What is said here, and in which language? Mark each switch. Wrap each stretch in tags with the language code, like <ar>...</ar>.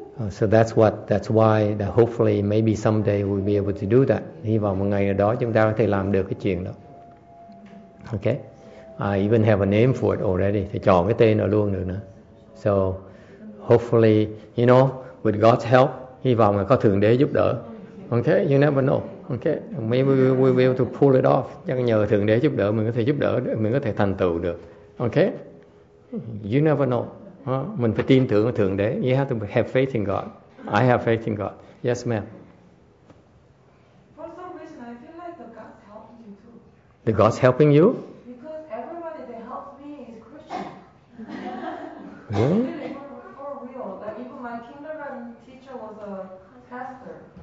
<en>So that's why hopefully maybe someday we'll be able to do that.</en> <vi>Hy vọng một ngày nào đó chúng ta có thể làm được cái chuyện đó. Okay.</vi> <en>I even have a name for it already.</en> <vi>Thì chọn cái tên nó luôn được nữa.</vi> <en>So hopefully, you know, with God's help,</en> <vi>hy vọng là có Thượng Đế giúp đỡ.</vi> <en>Okay, you never know. Okay, maybe we will be able to pull it off.</en> <vi>Chắc nhờ Thượng Đế giúp đỡ mình có thể thành tựu được.</vi> <en>Okay, you never know.</en> <vi>Mình phải tin tưởng ở Thượng Đế.</vi> <en>You have to have faith in God. I have faith in God. Yes, ma'am. For some reason, I feel like the God's helping you too. The God's helping you? Because everybody that helps me is Christian. Really? For real. Like, even my kindergarten teacher was a pastor.</en>